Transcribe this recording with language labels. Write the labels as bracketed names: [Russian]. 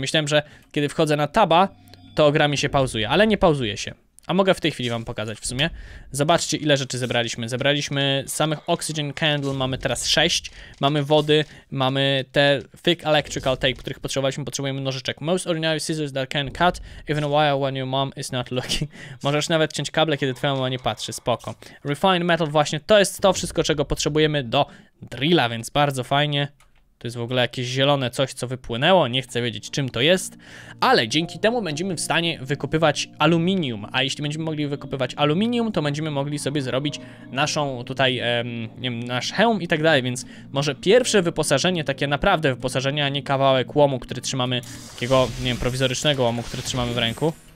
[Polish] Myślałem, że kiedy wchodzę na taba, to gra mi się pauzuje, ale nie pauzuje się. A mogę w tej chwili wam pokazać w sumie. Zobaczcie, ile rzeczy zebraliśmy. Zebraliśmy samych oxygen candle, mamy teraz 6. Mamy wody, mamy te thick electrical tape, których potrzebowaliśmy. Potrzebujemy nożyczek. [English] Most ordinary scissors that can cut even while when your mom is not looking. [Polish] Możesz nawet ciąć kable, kiedy twoja mama nie patrzy. Spoko. Refined metal, właśnie to jest to wszystko, czego potrzebujemy do drilla, więc bardzo fajnie. To jest w ogóle jakieś zielone coś, co wypłynęło, nie chcę wiedzieć, czym to jest. Ale dzięki temu będziemy w stanie wykupywać aluminium. A jeśli będziemy mogli wykupywać aluminium, to będziemy mogli sobie zrobić naszą tutaj, nie wiem, nasz hełm i tak dalej. Więc może pierwsze wyposażenie, takie naprawdę wyposażenie, a nie kawałek łomu, który trzymamy, takiego, nie wiem, prowizorycznego łomu, który trzymamy w ręku.